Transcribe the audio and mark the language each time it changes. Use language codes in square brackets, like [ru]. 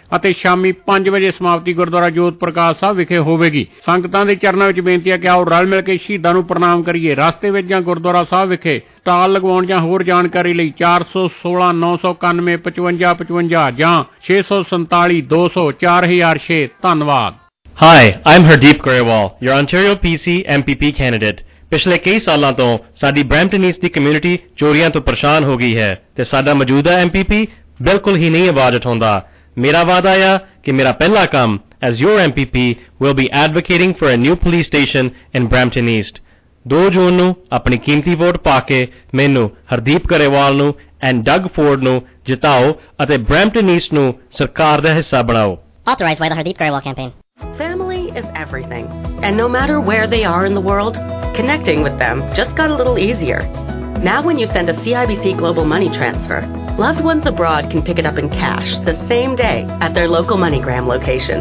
[pa] ਅਤੇ ਸ਼ਾਮੀ 5 ਵਜੇ ਸਮਾਪਤੀ ਗੁਰਦੁਆਰਾ ਜੋਤ ਪ੍ਰਕਾਸ਼ ਸਾਹਿਬ ਵਿਖੇ ਹੋਵੇਗੀ ਸੰਗਤਾਂ ਦੇ ਚਰਨਾਂ ਵਿਚ ਬੇਨਤੀ ਹੈ ਕਿ ਆਓ ਰਲ ਮਿਲ ਕੇ ਸ਼ਹੀਦਾਂ ਨੂੰ ਪ੍ਰਣਾਮ ਕਰੀਏ ਰਸਤੇ ਵਿਚ ਜਾਂ ਗੁਰਦੁਆਰਾ ਸਾਹਿਬ ਵਿਖੇ ਸਟਾਲ ਲਗਵਾਉਣ ਜਾਂ ਹੋਰ ਜਾਣਕਾਰੀ ਲਈ 416-995-5555 ਜਾਂ 647-200-4006 ਧੰਨਵਾਦ [en] Hi, I'm Hardeep Grewal, your Ontario PC MPP candidate. [pa] ਪਿਛਲੇ ਕਈ ਸਾਲਾਂ ਤੋਂ ਸਾਡੀ ਬ੍ਰੈਂਪਟਨ ਈਸਟ ਦੀ ਕਮਿਊਨਿਟੀ ਚੋਰੀਆਂ ਤੋਂ ਪਰੇਸ਼ਾਨ ਹੋ ਗਈ ਹੈ ਤੇ ਸਾਡਾ ਮੌਜੂਦਾ MPP ਬਿਲਕੁਲ ਹੀ ਨਹੀਂ ਆਵਾਜ਼ ਉਠਾਉਂਦਾ ਮੇਰਾ ਵਾਅਦਾ ਆ ਕਿ ਮੇਰਾ ਪਹਿਲਾ ਕੰਮ [en] as your MPP will be advocating for a new police station in Brampton east [pa] 2 ਜੂਨ ਨੂੰ ਆਪਣੀ ਕੀਮਤੀ ਵੋਟ ਪਾ ਕੇ ਮੈਨੂੰ ਹਰਦੀਪ ਗਰੇਵਾਲ ਨੂੰ ਐਂਡ ਡੱਗ ਫੋਰਡ ਨੂੰ ਜਿਤਾਓ ਅਤੇ ਬ੍ਰੈਂਪਟਨ ਈਸਟ ਨੂੰ ਸਰਕਾਰ ਦਾ ਹਿੱਸਾ ਬਣਾਓ [en] Authorized by the Hardeep Grewal campaign. Family is everything. And no matter where they are in the world, connecting with them just got a little easier. Now when you send a CIBC Global Money Transfer, loved ones abroad can pick it up in cash the same day at their local MoneyGram location.